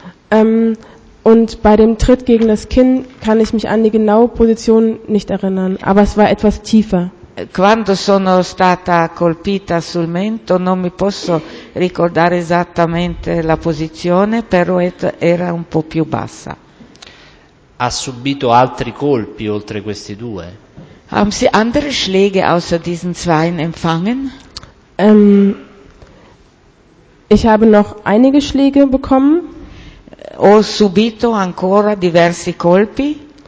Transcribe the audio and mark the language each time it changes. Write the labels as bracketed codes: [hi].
[de] Und bei dem Tritt gegen das Kinn kann ich mich an die genaue Position nicht erinnern, aber es war etwas tiefer. [it] Quando sono stata colpita sul mento non mi posso ricordare esattamente la posizione, però era un po' più bassa. Ha subito altri colpi oltre questi due? [de] Haben Sie andere Schläge außer diesen zwei empfangen? Ich habe noch einige Schläge bekommen. [it] Ho subito ancora diversi colpi.